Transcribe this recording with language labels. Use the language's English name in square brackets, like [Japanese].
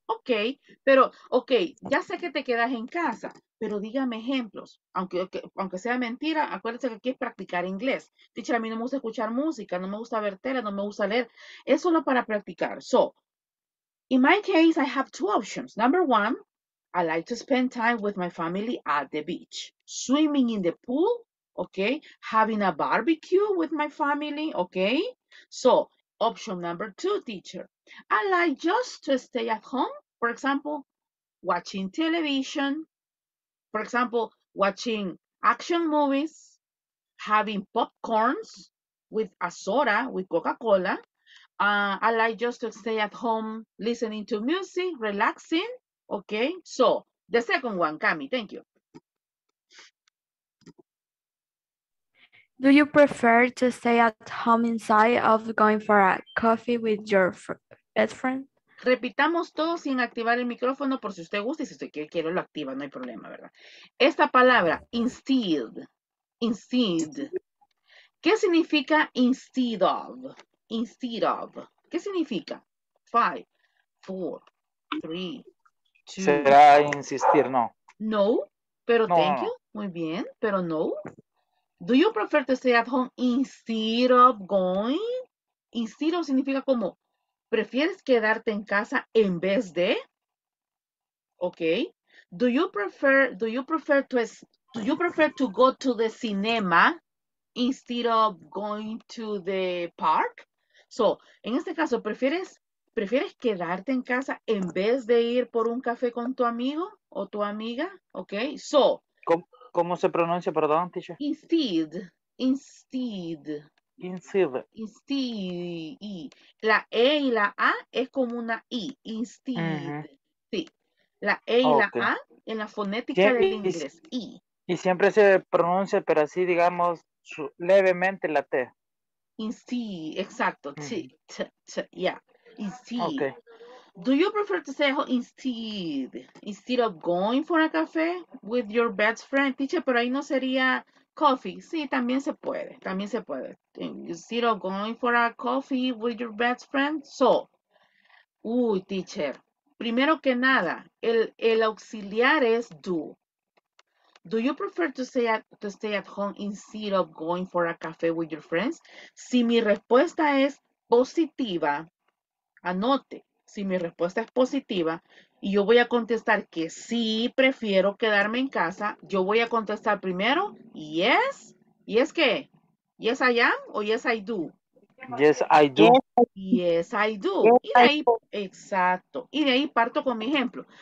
[Spanish] Okay, pero, okay, ya sé que te quedas en casa, pero dígame ejemplos. Aunque sea mentira, acuérdense que aquí es practicar inglés. Teacher, a mí no me gusta escuchar música, no me gusta ver tele, no me gusta leer. Es solo para practicar. [English] So, in my case, I have two options. Number one, I like to spend time with my family at the beach. Swimming in the pool, okay? Having a barbecue with my family, okay? So, option number two, teacher. I like just to stay at home. For example, watching television. For example, watching action movies. Having popcorns with a soda, with Coca-Cola. I like just to stay at home, listening to music, relaxing. Okay, so the second one, Cami, thank you. Do you prefer to stay at home inside of going for a coffee with your best friend? [Spanish] Repitamos todo sin activar el micrófono por si usted gusta y si usted quiere lo activa, no hay problema, ¿verdad? Esta palabra, instead, instead. ¿Qué significa instead of? Instead of. ¿Qué significa? 5, 4, 3, 2. Será insistir, no. No, pero no, [English] thank you. [Spanish] Muy bien, pero no. [English] Do you prefer to stay at home instead of going? [Spanish] Instead of significa como, ¿prefieres quedarte en casa en vez de? [English] Okay. Do you prefer to go to the cinema instead of going to the park? [Spanish] So, en este caso, ¿prefieres quedarte en casa en vez de ir por un café con tu amigo o tu amiga? [English] Okay. So, [Spanish] ¿Cómo se pronuncia, perdón, teacher? [English] Instead. Instead. Instead. [Spanish] Instead. La E y la A es como una I. Instead. Sí. La E y la A en la fonética del inglés. [English] I. [Spanish] Y siempre se pronuncia, pero así, digamos, levemente la T. [English] Instead. [Spanish] Exacto. [English] Yeah. Instead. Okay. Do you prefer to stay home instead of going for a cafe with your best friend? [Spanish] Teacher, pero ahí no sería coffee. Sí, también se puede. También se puede. [English] Instead of going for a coffee with your best friend. [Spanish] So, uy, teacher. Primero que nada, el auxiliar es do. [English] Do you prefer to stay at home instead of going for a cafe with your friends? [Spanish] Si mi respuesta es positiva, anote. Si mi respuesta es positiva y yo voy a contestar que sí prefiero quedarme en casa, yo voy a contestar primero yes. ¿Y es qué? [English] ¿Yes I am [Spanish] o [English] yes I do? Yes I do. Yes I do. Yes, [Spanish] y de ahí, exacto. Y de ahí parto con mi ejemplo.